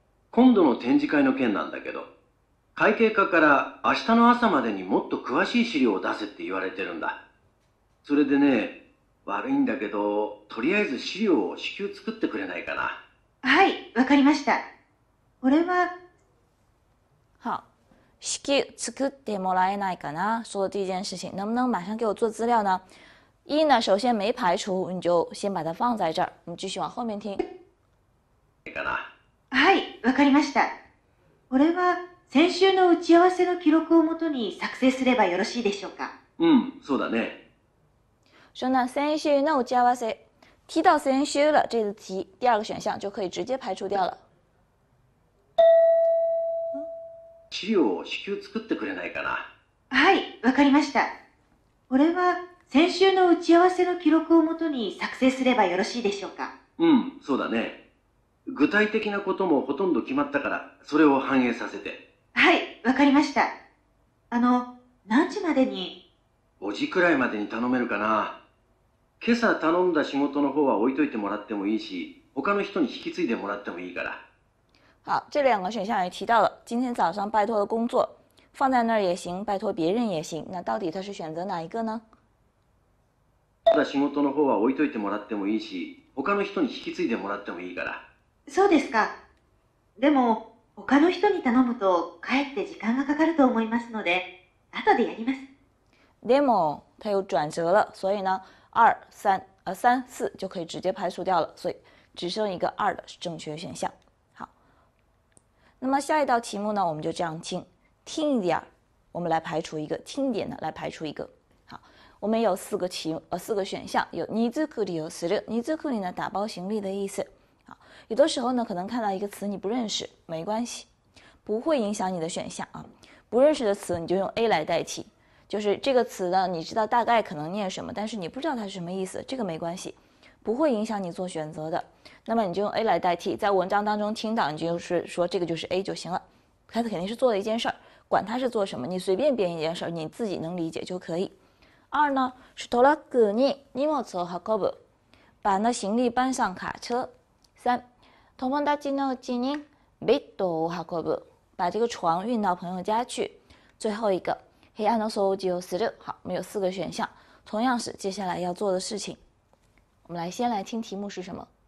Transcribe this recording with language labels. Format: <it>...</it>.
<ja>今度の展示会の件なんだけど。会計課から明日の朝までにもっと詳しい資料を出せって言われてるんだ。それでね、悪いんだけど、とりあえず資料を至急作ってくれないかな。はい、わかりました。これは、</ja> <zh>好、</zh> <ja>至急作ってもらえないかな。</ja> <zh>说的第一件事情、能不能马上给我做资料呢？一呢、首先没排除、你就先把它放在这儿。你继续往后面听。</zh> <ja>かな。はい、わかりました。これは。先週の打ち合わせの記録をもとに作成すればよろしいでしょうか。うん、そうだね。</ja> <zh>说呢，</zh> <ja>先週の打ち合わせ，</ja> <zh>提到先週了，这个题第二个选项就可以直接排除掉了。</zh> <ja>資料を至急作ってくれないかな。はい、わかりました。これは先週の打ち合わせの記録をもとに作成すればよろしいでしょうか。うん、そうだね。具体的なこともほとんど決まったから、それを反映させて。はい、わかりました。あの、何時までに？ 5時くらいまでに頼めるかな。今朝頼んだ仕事の方は置いといてもらってもいいし、他の人に引き継いでもらってもいいから。</ja> <zh>好、这两个选项也提到了。今天早上拜托的工作，放在那儿也行，拜托别人也行。那到底他是选择哪一个呢？</zh> <ja>仕事の方は置いといてもらってもいいし、他の人に引き継いでもらってもいいから。そうですか。でも、他の人に頼むと、かえって時間がかかると思いますので、後でやります。でも、</ja> <zh>他又转折了、所以呢、二、三、三、四就可以直接排除掉了、所以、只剩一个二的正确选项。好。那么下一道题目呢、我们就这样听。听一点、我们来排除一个、听一点呢、来排除一个。好。我们有四个题、四个选项、有、</zh> <ja>荷造りをする、荷造り</ja> <zh>呢、打包行李的意思。有的时候呢，可能看到一个词你不认识，没关系，不会影响你的选项啊。不认识的词你就用 A 来代替，就是这个词呢，你知道大概可能念什么，但是你不知道它是什么意思，这个没关系，不会影响你做选择的。那么你就用 A 来代替，在文章当中听到，你就是说这个就是 A 就行了。它肯定是做了一件事儿，管它是做什么，你随便编一件事儿，你自己能理解就可以。二呢是</zh> <ja>トラックに荷物を運ぶ，</ja> <zh>把那行李搬上卡车。三，</zh> <ja>友達の家にベッドを運ぶ，</ja> <zh>把这个床运到朋友家去。最后一个，</zh> <ja>部屋の掃除をする。</ja> <zh>好，我们有四个选项，同样是接下来要做的事情。我们来先来听题目是什么。</zh>